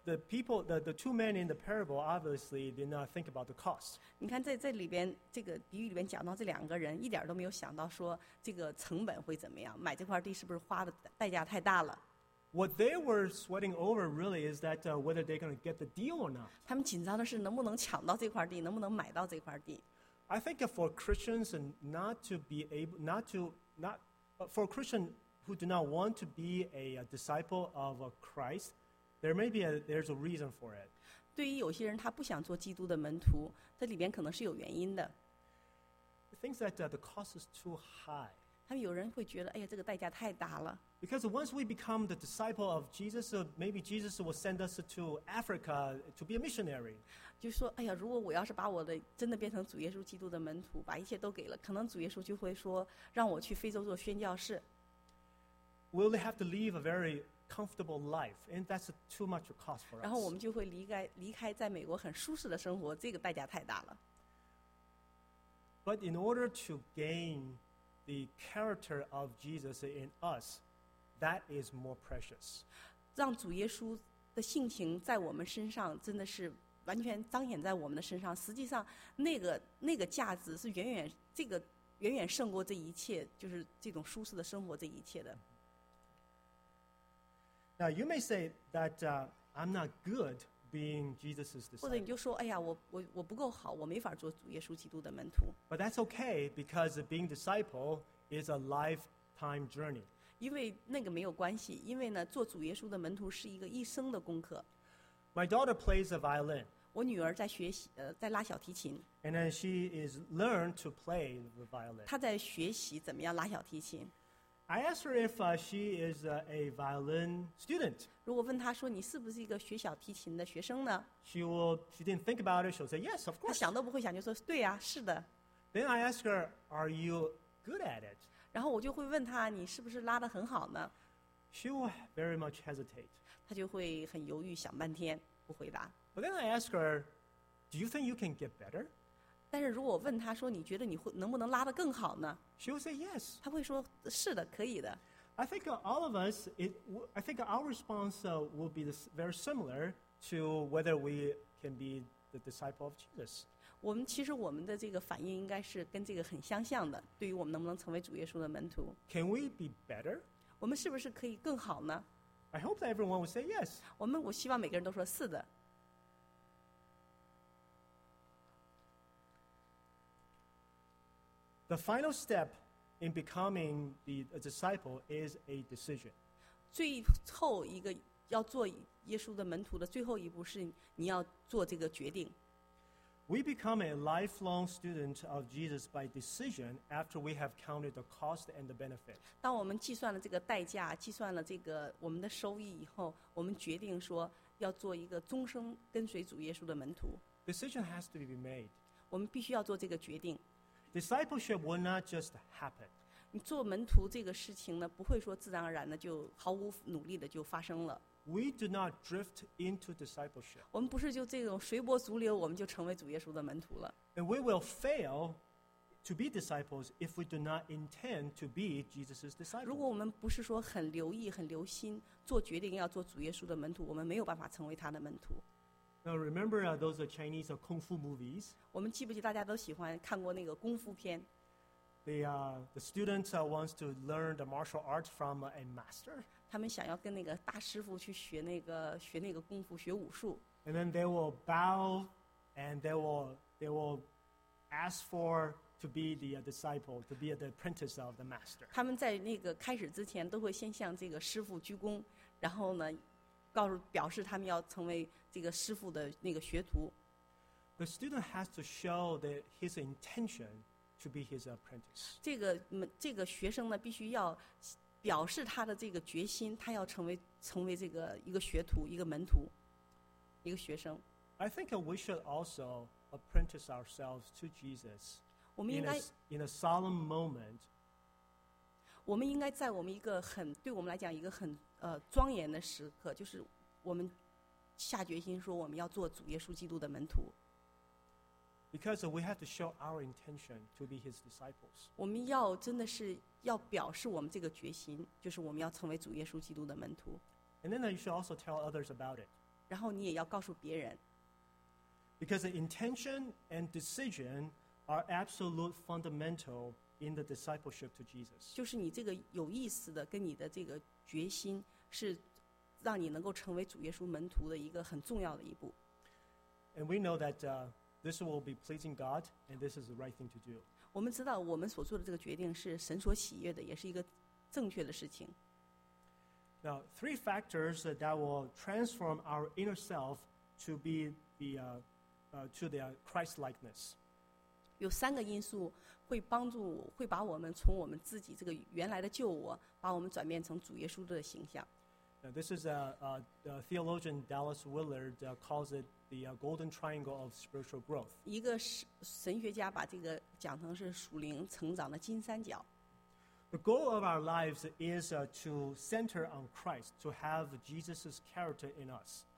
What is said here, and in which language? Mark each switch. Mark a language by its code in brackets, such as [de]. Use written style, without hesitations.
[en] The two men in the parable obviously did not think about the cost. [zh] 你看在这里边，这个比喻里边讲到这两个人一点都没有想到说这个成本会怎么样，买这块地是不是花的代价太大了。 [en] What they were sweating over really is that whether they're going to get the deal or not. [zh] 他们紧张的是能不能抢到这块地，能不能买到这块地。 [en] I think for Christians for Christians who do not want to be a disciple of Christ,There's a reason for it. [zh] 对于有些人，他不想做基督的门徒，这里边可能是有原因的。 [en] He thinks that the cost is too high. [zh] 他们有人会觉得，哎呀，这个代价太大了。 [en] Because once we become the disciple of Jesus, maybe Jesus will send us to Africa to be a missionary. [zh] 就说，哎呀，如果我要是把我的真的变成主耶稣基督的门徒，把一切都给了，可能主耶稣就会说，让我去非洲做宣教士。 [en] Will they have to leave a very comfortable life, and that's too much cost for us. [zh] 然后我们就会离开在美国很舒适的生活，这个代价太大了。 [en] But in order to gain the character of Jesus in us, that is more precious. [zh] 让主耶稣的性情在我们身上真的是完全彰显在我们的身上，实际上那个价值是远远胜过这一切，就是这种舒适的生活这一切的。 [en] Now you may say that I'm not good being Jesus' disciple. [zh] 或者你就说，哎呀，我不够好，我没法做主耶稣基督的门徒。 [en] But that's okay because being disciple is a lifetime. time journey. [zh] 因为那个没有关系，因为呢，做主耶稣的门徒是一个一生的功课。 [en] My daughter plays the violin. [zh] 我女儿在学习，在拉小提琴。 [en] And then she is learned to play the violin. [zh] 她在学习怎么样拉小提琴。 [en] I asked her if she is a violin student. [zh] 如果问她说你是不是一个学小提琴的学生呢？ [en] She didn't think about it. She'll say yes, of course. [zh] 她想都不会想就说对啊，是的。 [en] Then I asked her, "Are you good at it?" [zh] 然后我就会问她，你是不是拉得很好呢？ [en] She will very much hesitate. [zh] 她就会很犹豫，想半天不回答。 [en] But then I asked her, "Do you think you can get better?" [zh] 但是如果我问她说，你觉得你会能不能拉得更好呢？ [en] She will say yes. [zh] 她会说是的，可以的。 [en] I think all of us, I think our response will be very similar to whether we can be the disciple of Jesus. [zh] 我们其实我们的这个反应应该是跟这个很相像的，对于我们能不能成为主耶稣的门徒。 [en] Can we be better? [zh] 我们是不是可以更好呢？ [en] I hope that everyone will say yes. [zh] 我希望每个人都说是的。 [en] The final step in becoming a disciple is a decision. [zh] 最后一个要做耶稣的门徒的最后一步是你要做这个决定。 [en] We become a lifelong student of Jesus by decision after we have counted the cost and the benefit. [zh] 当我们计算了这个代价，计算了这个我们的收益以后，我们决定说要做一个终生跟随主耶稣的门徒。 [en] Decision has to be made. [zh] 我们必须要做这个决定。 [en] Discipleship will not just happen. [zh] 你做门徒这个事情呢，不会说自然而然的就毫无努力的就发生了。 [en] We do not drift into discipleship. [zh] 我们不是就这种随波逐流，我们就成为主耶稣的门徒了。 [en] And we will fail to be disciples if we do not intend to be Jesus's disciples. [zh] 如果我们不是说很留意、很留心做决定要做主耶稣的门徒，我们没有办法成为他的门徒。 [en] Now remember those Chinese kung fu movies? [zh] 我们记不记得大家都喜欢看过那个功夫片？ [en] The student wants to learn the martial arts from a master. [zh] 他们想要跟那个大师傅去学那个功夫，学武术。 [en] And then they will bow, and they will ask for to be the disciple, to be the apprentice of the master. [zh] 他们在那个开始之前都会先向这个师傅鞠躬，然后呢，表示他们要成为这个师傅的那个学徒。 [en] The student has to show that his intention. To be his apprentice. [zh] 这个学生呢，必须要表示他的这个决心，他要成为这个一个学徒、一个门徒、一个学生。 [en] I think we should also apprentice ourselves to Jesus. [zh] 我们应该 [en] in a solemn moment. [zh] 我们应该在我们一个很对我们来讲一个很庄严的时刻，就是我们下决心说我们要做主耶稣基督的门徒。 [en] Because we have to show our intention to be his disciples. [zh] 我们要真的是要表示我们这个决心，就是我们要成为主耶稣基督的门徒。 [en] And then you should also tell others about it. [zh] 然后你也要告诉别人。 [en] Because the intention and decision are absolute fundamental in the discipleship to Jesus. [zh] 就是你这个有意思的跟你的这个决心是让你能够成为主耶稣门徒的一个很重要的一步。 [en] And we know that, This will be pleasing God, and this is the right thing to do. [zh] 我们知道我们所做的这个决定是神所喜悦的，也是一个正确的事情。 [en] Now, three factors that will transform our inner self to be the Christ-likeness. [zh] 有三个因素会帮助，会把我们从我们自己这个原来的旧我，把我们转变成主耶稣的形象。 [en] Now, this is a theologian Dallas Willard calls it the golden triangle of spiritual growth. [zh] 一个神学家把这个讲成是属灵成长的金三角。 [en] The goal of our lives is to center on Christ, to have Jesus's character in us.